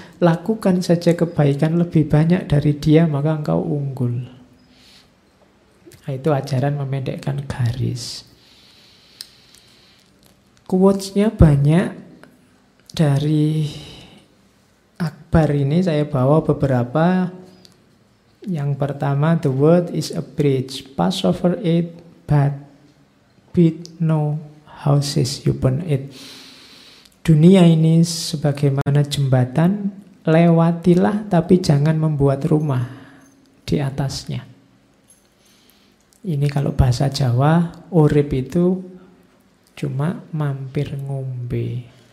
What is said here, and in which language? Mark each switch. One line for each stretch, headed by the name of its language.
Indonesian: Lakukan saja kebaikan lebih banyak dari dia, maka engkau unggul. Nah, itu ajaran memendekkan garis. Quotes-nya banyak dari Akbar ini, saya bawa beberapa.
English: Yang pertama, the world is a bridge. Pass over it, but build no houses upon it.
Indonesian: Dunia ini sebagaimana jembatan, lewatilah tapi jangan membuat rumah di atasnya. Ini kalau bahasa Jawa,
Javanese: urip itu cuma mampir ngombe.